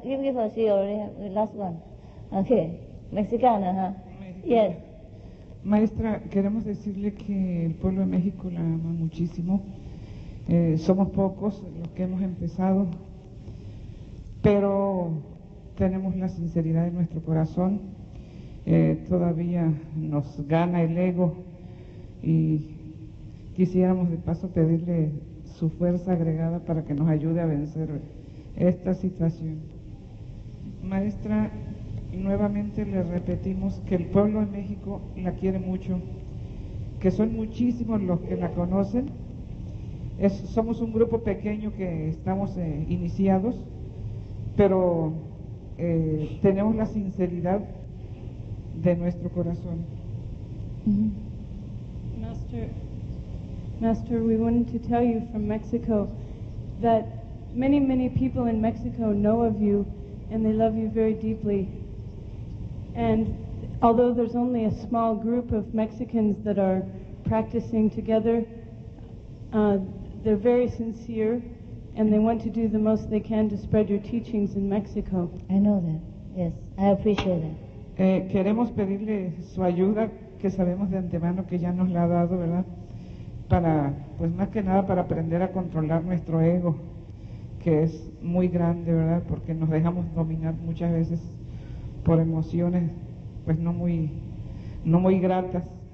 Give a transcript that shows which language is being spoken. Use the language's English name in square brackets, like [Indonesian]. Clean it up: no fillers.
[English] Give me first, you already have the last one. Okay, Mexicana, Yes. [Spanish] Maestra, queremos decirle que el pueblo de México la ama muchísimo. Somos pocos los que hemos empezado, pero tenemos la sinceridad en nuestro corazón. Todavía nos gana el ego y quisiéramos de paso pedirle su fuerza agregada para que nos ayude a vencer esta situación. Maestra, nuevamente le repetimos que el pueblo de México la quiere mucho, que son muchísimos los que la conocen. Somos un grupo pequeño que estamos iniciados, pero tenemos la sinceridad de nuestro corazón. Mm-hmm. [English] Master, we wanted to tell you from Mexico that many, many people in Mexico know of you and they love you very deeply. And although there's only a small group of Mexicans that are practicing together, they're very sincere and they want to do the most they can to spread your teachings in Mexico. I know that. Yes, I appreciate that. [Spanish] Queremos pedirle su ayuda, que sabemos de antemano que ya nos la ha dado, ¿verdad? Para, pues más que nada para aprender a controlar nuestro ego, que es muy grande, ¿verdad? Porque nos dejamos dominar muchas veces por emociones, pues no muy gratas.